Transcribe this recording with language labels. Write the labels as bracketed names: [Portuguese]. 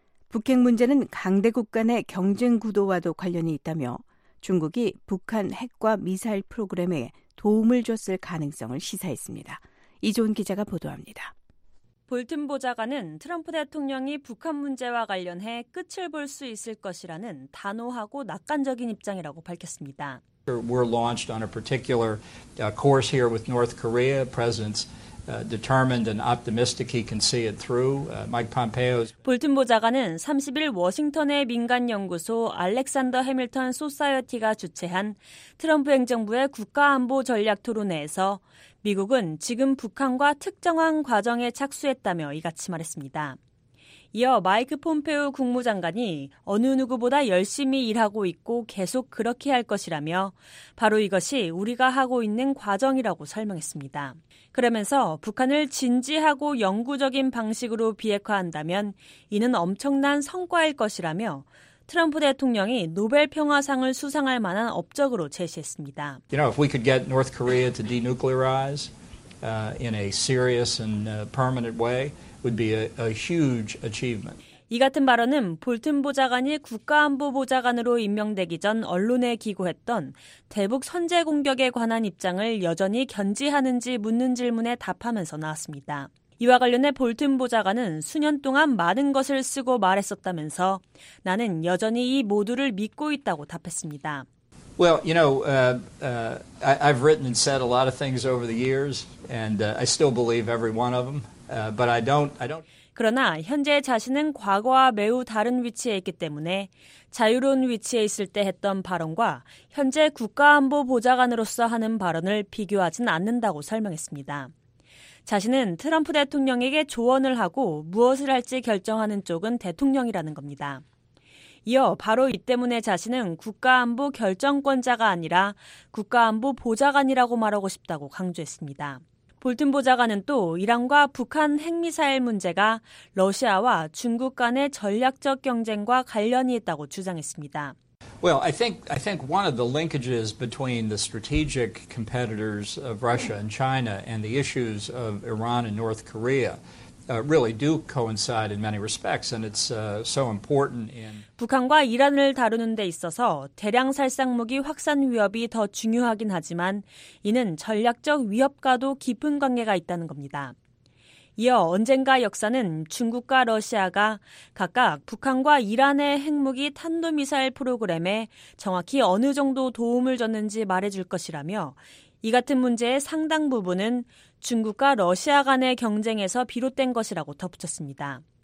[Korean] 북핵 문제는 강대국 간의 경쟁 구도와도 관련이 있다며 중국이 북한 핵과 미사일 프로그램에 도움을 줬을 가능성을 시사했습니다. 이종훈 기자가 보도합니다. 볼튼 보좌관은 트럼프 대통령이 북한 문제와 관련해 끝을 볼 수 있을 것이라는 단호하고 낙관적인 입장이라고 밝혔습니다. [English] We're launched on a particular course here with North Korea. President's determined and optimistic he can see it through. Mike Pompeo's [Korean] 볼튼 보좌관은 30일 워싱턴의 민간 연구소 알렉산더 해밀턴 소사이어티가 주최한 트럼프 행정부의 국가 안보 전략 토론회에서 미국은 지금 북한과 특정한 과정에 착수했다며 이같이 말했습니다. 이어 마이크 폼페오 국무장관이 어느 누구보다 열심히 일하고 있고 계속 그렇게 할 것이라며 바로 이것이 우리가 하고 있는 과정이라고 설명했습니다. 그러면서 북한을 진지하고 영구적인 방식으로 비핵화한다면 이는 엄청난 성과일 것이라며 트럼프 대통령이 노벨 평화상을 수상할 만한 업적으로 제시했습니다. [English] You know, if we could get North Korea to denuclearize in a serious and permanent way, would be a huge achievement. [Korean] 이 같은 발언은 볼튼 보좌관이 국가안보보좌관으로 임명되기 전 언론에 기고했던 대북 선제 공격에 관한 입장을 여전히 견지하는지 묻는 질문에 답하면서 나왔습니다. 이와 관련해 볼튼 보좌관은 수년 동안 많은 것을 쓰고 말했었다면서 나는 여전히 이 모두를 믿고 있다고 답했습니다. [English] Well, you know, I've written and said a lot of things over the years and I still believe every one of them. But I don't [Korean] 그러나 현재 자신은 과거와 매우 다른 위치에 있기 때문에 자유로운 위치에 있을 때 했던 발언과 현재 국가안보보좌관으로서 하는 발언을 비교하진 않는다고 설명했습니다. 자신은 트럼프 대통령에게 조언을 하고 무엇을 할지 결정하는 쪽은 대통령이라는 겁니다. 이어 바로 이 때문에 자신은 국가안보 결정권자가 아니라 국가안보보좌관이라고 말하고 싶다고 강조했습니다. 볼튼 보좌관은 또 이란과 북한 핵미사일 문제가 러시아와 중국 간의 전략적 경쟁과 관련이 있다고 주장했습니다. [English] Well, I think one of the linkages between the strategic competitors of Russia and China and the issues of Iran and North Korea really do coincide in many respects and it's so important in [Korean] 북한과 이란을 다루는 데 있어서 대량 살상 무기 확산 위협이 더 중요하긴 하지만 이는 전략적 위협과도 깊은 관계가 있다는 겁니다. 이어 언젠가 역사는 중국과 러시아가 각각 북한과 이란의 핵무기 탄도미사일 프로그램에 정확히 어느 정도 도움을 줬는지 말해줄 것이라며 이 같은 문제의 상당 부분은 중국과 러시아 간의 경쟁에서 비롯된 것이라고 덧붙였습니다.